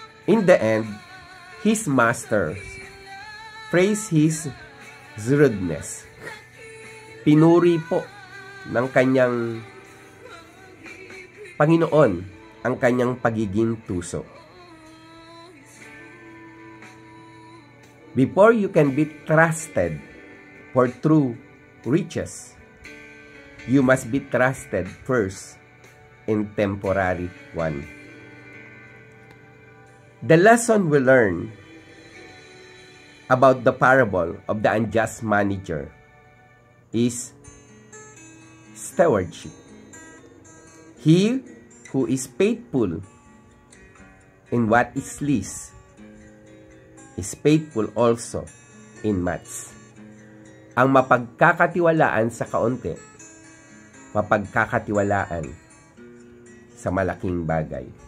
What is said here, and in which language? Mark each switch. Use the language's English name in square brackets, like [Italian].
[English] In the end, his master praised his shrewdness. [Filipino] Pinuri po ng kanyang Panginoon ang kanyang pagiging tuso. [English] Before you can be trusted for true riches, you must be trusted first in temporary one. The lesson we learn about the parable of the unjust manager is stewardship. He who is faithful in what is least is faithful also in much. [Filipino] Ang mapagkakatiwalaan sa kaunti, mapagkakatiwalaan sa malaking bagay.